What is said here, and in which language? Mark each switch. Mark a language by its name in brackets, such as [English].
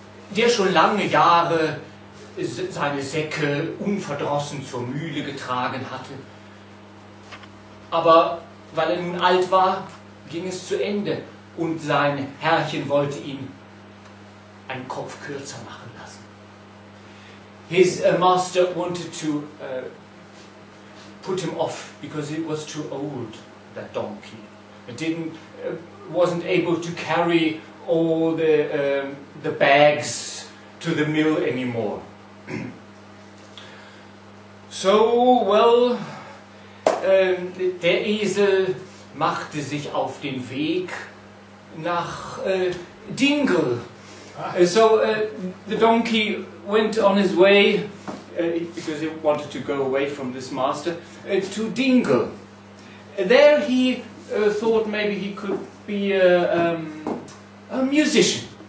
[German] Der schon lange Jahre seine Säcke unverdrossen zur Mühle getragen hatte. Aber weil er nun alt war, ging es zu Ende und sein Herrchen wollte ihn einen Kopf kürzer machen lassen. [English] His master wanted to put him off because it was too old, that donkey. It didn't, wasn't able to carry all the bags to the mill anymore. So, well, [German] der Esel machte sich auf den Weg nach Dingle. [English] So the donkey went on his way, because he wanted to go away from this master, to Dingle. There he thought maybe he could be a musician.